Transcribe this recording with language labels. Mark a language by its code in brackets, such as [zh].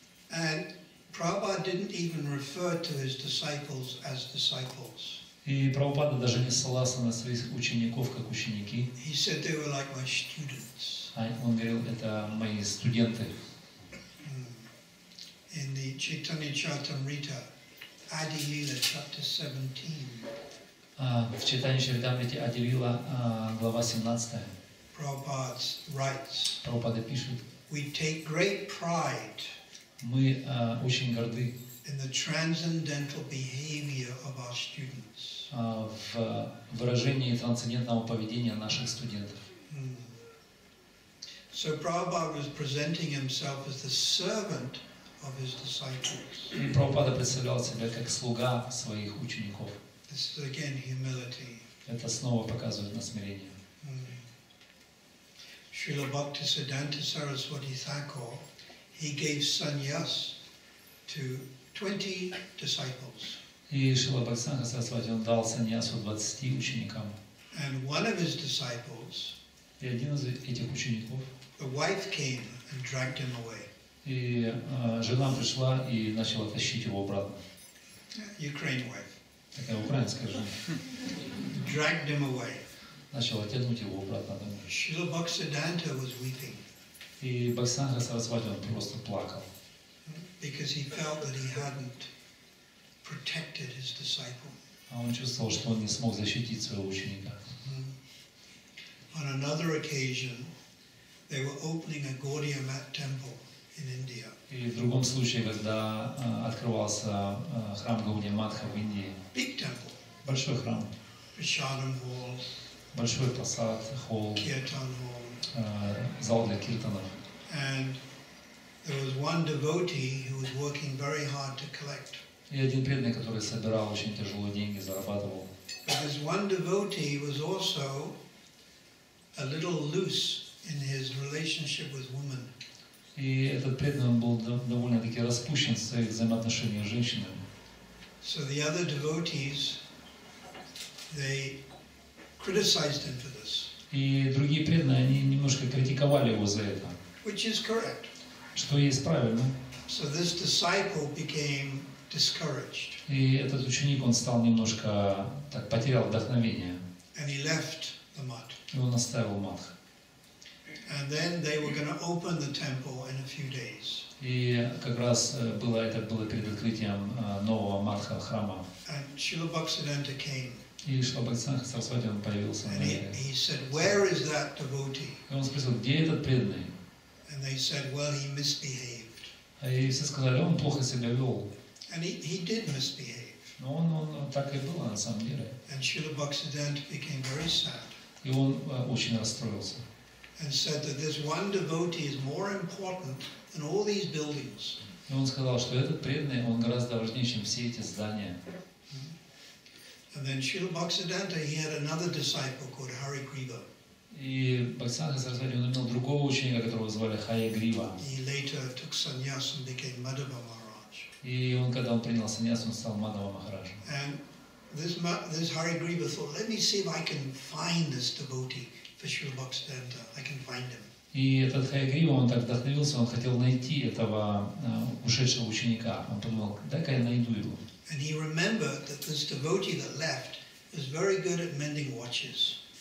[en] And Prabhupada didn't even refer to his disciples as disciples. [ru] И Прабхупада даже не ссылался на своих учеников как ученики. [en] He said they were like my students. [ru] Он говорил, это мои студенты. [en] In the Chaitanya Charitamrita, Adi Lila, chapter 17. [ru] В Chaitanya Charitamrita, Adi Lila, глава 17. [en] Prabhupada writes. [ru] Прабхупада пишет. [en] We take great pride. [ru] Мы очень горды [en] in the transcendental behavior of our students. [ru] В выражении трансцендентного поведения наших студентов. [en] So Prabhupada was presenting himself as the servant of his disciples. [ru] И Прабхупада представлял себя как слуга своих учеников. [en] This is again humility. [ru] Это снова показывает на смирение. [en] Srila Bhaktisiddhanta Saraswati Thakur, he gave sannyas to 20 disciples. [ru] И Шрила Бхактисиддханта Сарасвати дал саньясу 20 ученикам. [en] And one of his disciples, [ru] и один из этих учеников, [en] the wife came and dragged him away. [ru] И жена пришла и начала тащить его обратно. [en] Ukraine wife. [ru] Такая украинская жена. [en] Dragged him away. [ru] Начала тянуть его обратно домой. [en] Шрила Бхактисиддханта was weeping. [ru] И Бхактисиддханта Сарасвати просто плакал. [en] Because he felt that he hadn't protected his disciple. [ru] А он чувствовал, что он не смог защитить своего ученика. [en] On another occasion, they were opening a Gaudiya Mat temple in India. [ru] И в другом случае, когда открывался храм Гаудия Матха в Индии. [en] Big temple. [ru] Большой храм. [en] Prasadam hall. [ru] Большой посад, холл. [en] Kirtan hall. [ru] Зал для киртанов. [en] And there was one devotee who was working very hard to collect. [ru] И один преданный, который собирал очень тяжело деньги, зарабатывал. [en] But this one devotee was also a little loose in his relationship with women. [ru] И этот преданный был довольно-таки распущен в своих взаимоотношениях с женщинами. [en] So the other devotees, they criticized him for this. [ru] И другие преданные, они немножко критиковали его за это. [en] Which is correct. [ru] Что есть правильно. [en] So this disciple became discouraged. [ru] И этот ученик, он стал немножко, так, потерял вдохновение. [en] And he left the mat. [ru] И он оставил матх. [en] And then they were going to open the temple in a few days. [ru] И как раз было, это было перед открытием нового матха храма. [en] And Srila Bhaktisiddhanta came. [ru] И Шрила Бхактисиддханта Сарасвати появился. [en] And he said, where is that devotee? [ru] Он спросил, где этот преданный? [en] And they said, well, he misbehaved. [ru] И все сказали, он плохо себя вел. [en] And he did misbehave. [ru] Но он так и был, на самом деле. [en] And Srila Bhaktisiddhanta became very sad. [ru] И он очень расстроился. [en] And said that this one devotee is more important than all these buildings. [ru] И он сказал, что этот преданный, он гораздо важнее, чем все эти здания. [en] And then Srila Bhaktisiddhanta, he had another disciple called Hari Griva. [ru] И Бхактисиддханта Сарасвати, он имел другого ученика, которого звали Хари Грива. [en] He later took sannyas and became Madhava Maharaj. [ru] И он, когда он принял саньяс, он стал Мадхава Махараджем. [en] And this Hari Griva thought, let me see if I can find this devotee for Srila Bhaktisiddhanta. I can find him. [ru] И этот Хари Грива, он так вдохновился, он хотел найти этого ушедшего ученика. Он подумал, дай-ка я найду его. [en] And he remembered that this devotee that left was very good at mending watches.